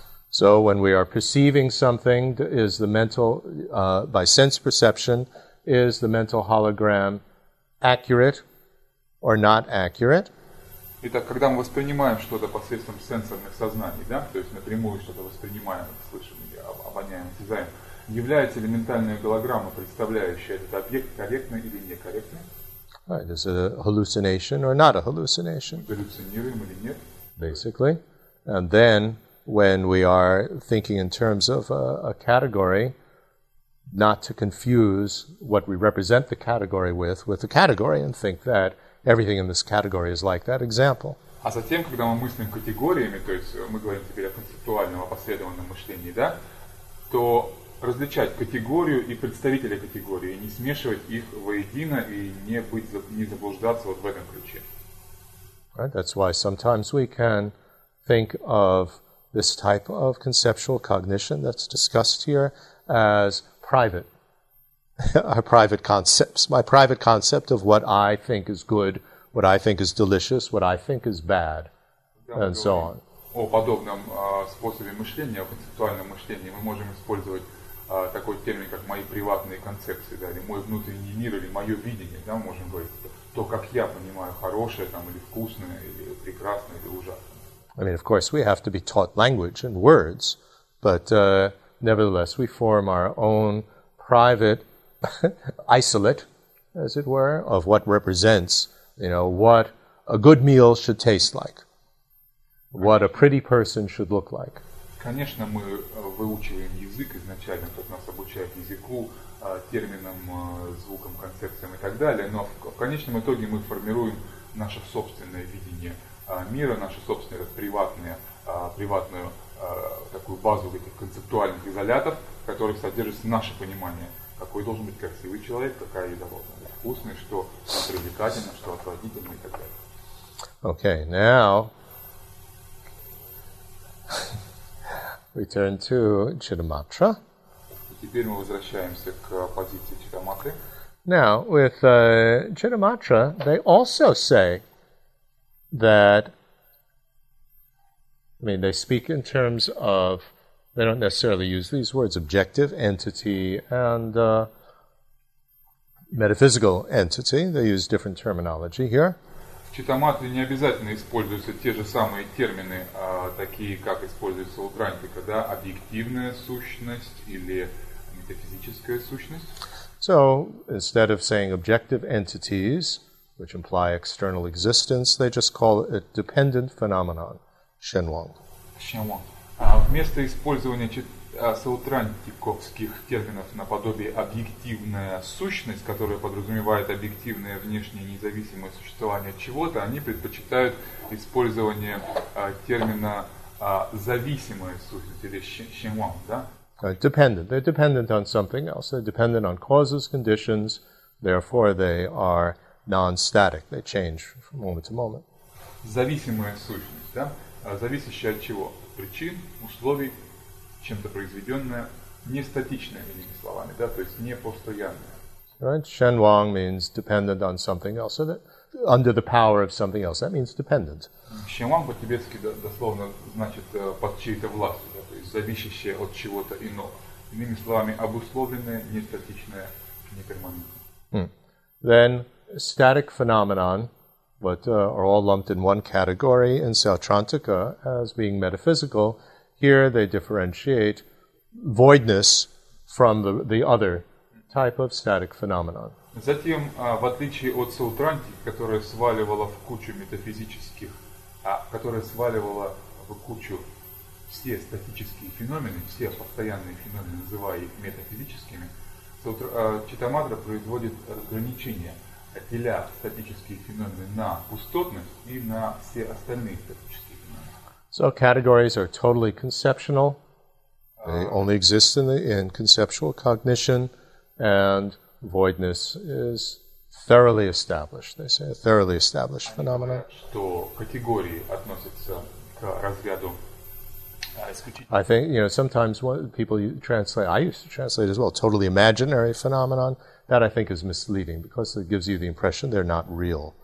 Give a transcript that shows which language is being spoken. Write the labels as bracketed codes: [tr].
[en] So when we are perceiving something, is the mental by sense perception, is the mental hologram accurate or not accurate? [ru] Итак, когда мы воспринимаем что-то посредством сенсорных сознаний, да, то есть напрямую что-то воспринимаем, слышим или обоняем, осязаем, является ли ментальная голограмма, представляющая этот объект, корректной или некорректной? [en] Right, is it a hallucination or not a hallucination? [ru] Галлюцинируем или нет? [en] Basically. And then, when we are thinking in terms of a category, not to confuse what we represent the category with the category and think that everything in this category is like that example. [ru] А затем, когда мы мыслим категориями, то есть мы говорим теперь о концептуальном, опосредованном мышлении, да, то различать категорию и представителя категории, не смешивать их воедино и не заблуждаться вот в этом ключе. [en] Right, that's why sometimes we can think of this type of conceptual cognition that's discussed here as private, our private concepts, my private concept of what I think is good, what I think is delicious, what I think is bad, and so on. [ru] О подобном способе мышления, о концептуальном мышлении, мы можем использовать такой термин, как мои приватные концепции, да, или мой внутренний мир, или мое видение, да, можем говорить, то, как я понимаю, хорошее, там, или вкусное, или прекрасное, или ужасное. [en] I mean, of course, we have to be taught language and words, but nevertheless, we form our own private isolate, as it were, of what represents, you know, what a good meal should taste like, what a pretty person should look like. [ru] Конечно, мы выучиваем язык изначально, тот нас обучает языку, терминам, звукам, концепциям и так далее, но в конечном итоге мы формируем наше собственное видение мира, наши собственные приватную такую базу этих концептуальных изолятов, в которых содержится наше понимание, какой должен быть красивый человек, какая еда должна быть вкусной, что привлекательно, что отвратительно и так далее. [en] Okay, now we turn to Chittamatra. [ru] Теперь мы возвращаемся к позиции Читаматры. [en] Now, with Chittamatra, they also say that, I mean, they speak in terms of, they don't necessarily use these words, objective entity and metaphysical entity. They use different terminology here. [ru] В читаматре не обязательно используются те же самые термины, такие, как используются у Трантика, да, объективная сущность или метафизическая сущность. [en] So, instead of saying objective entities, which imply external existence, they just call it a dependent phenomenon, Shenwang. [bo] Shenwang. [ru] Вместо использования саутрантиковских терминов наподобие объективная сущность, которая подразумевает объективное внешнее независимое существование чего-то, они предпочитают использование термина зависимая сущность, или Shenwang, да? [en] Dependent. They're dependent on something else. They're dependent on causes, conditions, therefore they are non-static, they change from moment to moment. [ru] Зависимая сущность, да? Зависящая от чего? Причин, условий, чем-то произведенная, нестатичная, иными словами, да, то есть не постоянная. [en] Right, Shenwang means dependent on something else. So that under the power of something else. That means dependent. [ru] Шиман по-тибетски дословно значит под чьей-то властью, то есть зависящее от чего-то иного. Иными словами, обусловленное, нестатичное, неперманентное. [en] Then static phenomenon, but are all lumped in one category in Sautrantika as being metaphysical. Here they differentiate voidness from the other type of static phenomenon. [ru] Затем, в отличие от Саутрантики, которая сваливала в кучу метафизических, которая сваливала в кучу все статические феномены, все постоянные феномены, называя их метафизическими, Читамадра производит разграничение, отделя статические феномены на пустотность и на все остальные статические феномены. [en] So categories are totally conceptual. They only exist in conceptual cognition, and voidness is thoroughly established. They say a thoroughly established phenomenon. [ru] Что категории относятся к разряду? [en] I think, you know, sometimes what people translate, I used to translate as well, totally imaginary phenomenon, that I think is misleading because it gives you the impression they're not real.